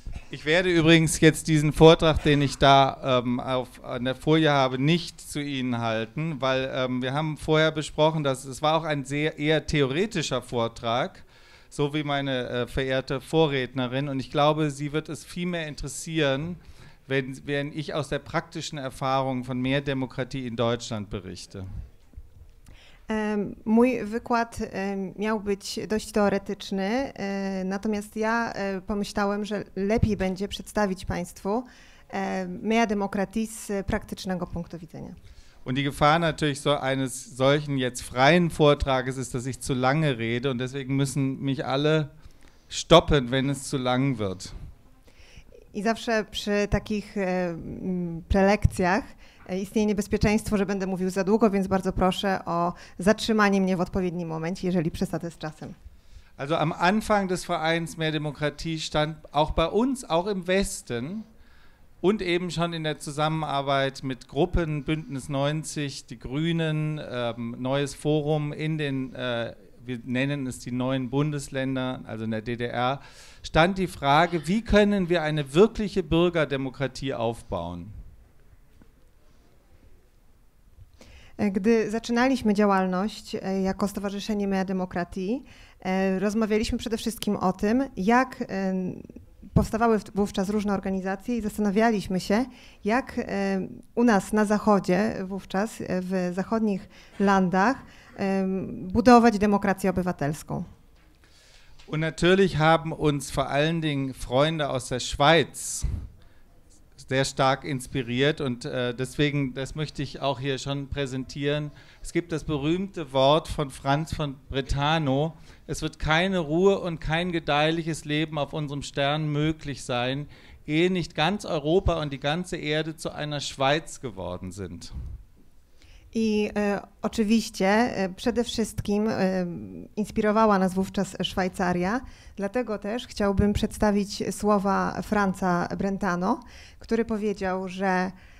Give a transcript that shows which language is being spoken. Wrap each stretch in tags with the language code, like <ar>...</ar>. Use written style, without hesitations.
<de>Ich werde übrigens jetzt diesen Vortrag, den ich da an der Folie habe, nicht zu Ihnen halten, weil wir haben vorher besprochen, dass es war auch ein sehr eher theoretischer Vortrag, so wie meine verehrte Vorrednerin. Und ich glaube, sie wird es viel mehr interessieren, wenn ich aus der praktischen Erfahrung von mehr Demokratie in Deutschland berichte.</de> <pl>Mój wykład miał być dość teoretyczny, natomiast ja pomyślałem, że lepiej będzie przedstawić Państwu Mehr Demokratie z praktycznego punktu widzenia.</pl> <de>Und die Gefahr natürlich so eines solchen jetzt freien Vortrages ist, dass ich zu lange rede und deswegen müssen mich alle stoppen, wenn es zu lang wird.</de> <pl>I zawsze przy takich prelekcjach istnieje niebezpieczeństwo, że będę mówił za długo, więc bardzo proszę o zatrzymanie mnie w odpowiednim momencie, jeżeli przesadzę z czasem.</pl> <de>Also am Anfang des Vereins Mehr Demokratie stand auch bei uns, auch im Westen und eben schon in der Zusammenarbeit mit Gruppen, Bündnis 90, die Grünen, neues Forum in den, wir nennen es die neuen Bundesländer, also in der DDR, stand die Frage, wie können wir eine wirkliche Bürgerdemokratie aufbauen?</de> <pl>Gdy zaczynaliśmy działalność jako Stowarzyszenie Mea Demokratii, rozmawialiśmy przede wszystkim o tym, jak powstawały wówczas różne organizacje i zastanawialiśmy się, jak u nas na Zachodzie wówczas, w zachodnich landach, budować demokrację obywatelską.</pl> <de>Und natürlich haben uns vor allen Dingen Freunde aus der Schweiz sehr stark inspiriert und deswegen, das möchte ich auch hier schon präsentieren, es gibt das berühmte Wort von Franz von Brentano, es wird keine Ruhe und kein gedeihliches Leben auf unserem Stern möglich sein, ehe nicht ganz Europa und die ganze Erde zu einer Schweiz geworden sind.</de> <pl>I oczywiście przede wszystkim inspirowała nas wówczas Szwajcaria, dlatego też chciałbym przedstawić słowa Franza Brentano, który powiedział, że</pl>